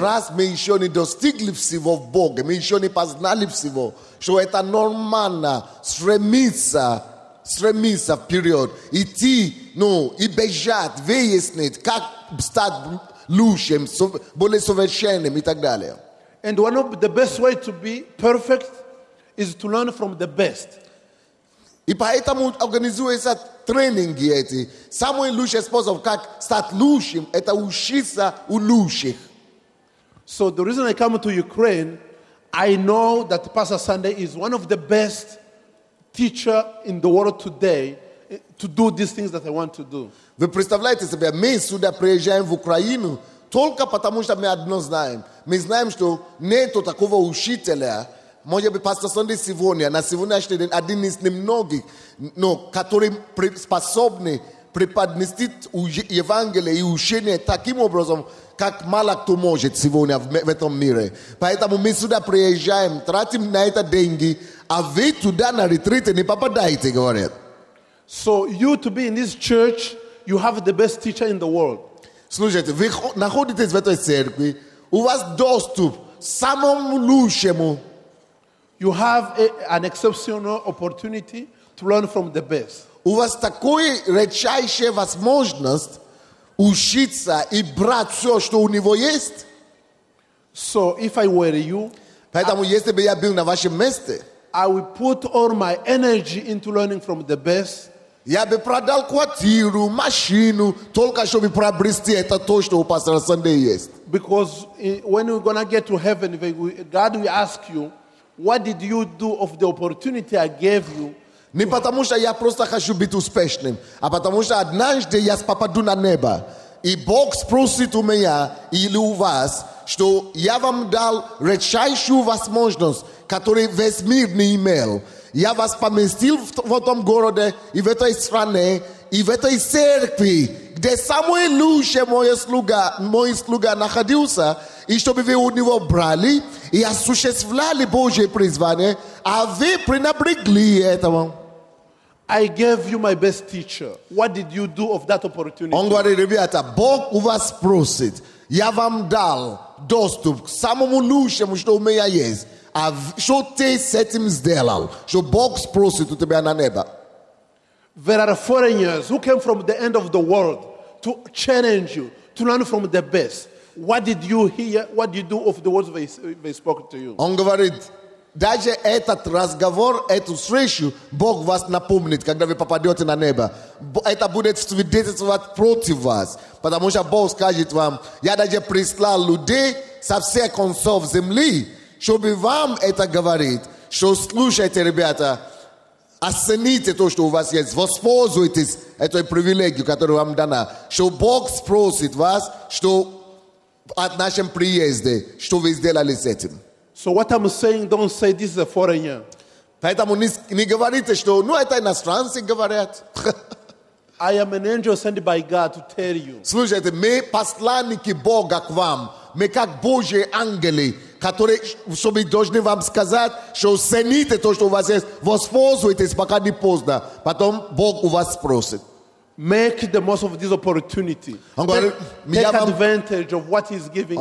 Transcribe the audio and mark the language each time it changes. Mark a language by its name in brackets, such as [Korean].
[Russian] Раз меньшони достигливсиво в Боге, меньшони позналивсиво, что это нормально стремиться, стремиться вперед, идти, ну, и бежать, выяснить, как стать лучшим, более совершенным и так далее. [English] And one of the best ways to be perfect is to learn from the best. [Russian] И поэтому организуется тренинги эти. Самый лучший способ, как стать лучшим, это учиться у лучших. [English] So the reason I come to Ukraine, I know that Pastor Sandei is one of the best teacher in the world today to do these things that I want to do. [Russian] Вы представляете себе, мы сюда приезжаем в Украину только потому, что мы одно знаем. Мы знаем, что нет такого учителя, может быть, пастор Сандей сегодня, на сегодняшний день один из немногих, но который способны преподнести Евангелие и учение таким образом, как мало кто может сегодня в этом мире. Поэтому мы сюда приезжаем, тратим на это деньги, а вы туда на ретрите не попадаете, говорят. [English] So you to be in this church, you have the best teacher in the world. [Russian] Слушайте, вы находитесь в этой церкви, у вас доступ к самому лучшему. [English] You have an exceptional opportunity to learn from the best. [Russian] У вас такой редчайшая возможность учиться и брать все, что у него есть. [English] So if I were you, [Russian] поэтому если бы я был на вашем месте, [English] I would put all my energy into learning from the best. [Russian] Я бы продал квартиру, машину, только чтобы приобрести это то, что у пастора Сандея есть. [English] Because when we're gonna get to heaven, God will ask you, what did you do of the opportunity I gave you? [Russian] Не потому что я просто хочу быть успешным, а потому что однажды я попаду на небо, и Бог спросит у меня или у вас, что я вам дал редчайшую возможность, которую весь мир не имел. Я вас поместил в этом городе и в этой стране и в этой церкви, где самый лучший мой слуга находился, и чтобы вы у него брали и осуществляли Божье призвание, а вы пренебрегли этому. [English] I gave you my best teacher. What did you do of that opportunity? [Russian] Он говорит, ребята, Бог у вас просит. Я вам дал доступ к самому лучшему, что у меня есть. А что ты с этим сделал? Что Бог спросит у тебя на небо? [English] There are foreigners who came from the end of the world to challenge you, to learn from the best. What did you hear? What did you do of the words they spoke to you? [Russian] Он говорит, даже этот разговор, эту встречу, Бог вас напомнит, когда вы попадете на небо. Это будет свидетельствовать против вас. Потому что Бог скажет вам, я даже прислал людей со всех концов земли, чтобы вам это говорить, что слушайте, ребята, оцените то, что у вас есть, воспользуйтесь этой привилегией, которая вам дана, что Бог спросит вас, что от нашем приезде, что вы сделали с этим. [English] So what I'm saying, don't say this is a foreigner. [Russian] Поэтому не говорите, что, ну, это иностранцы говорят. [English] I am an angel sent by God to tell you. [Russian] Слушайте, мы посланники Бога к вам, мы как Божьи ангелы, которые, чтобы должны вам сказать, что цените то, что у вас есть, воспользуйтесь, пока не поздно. Потом Бог у вас спросит. [English] Make the most of this opportunity. Take advantage of what he's giving you.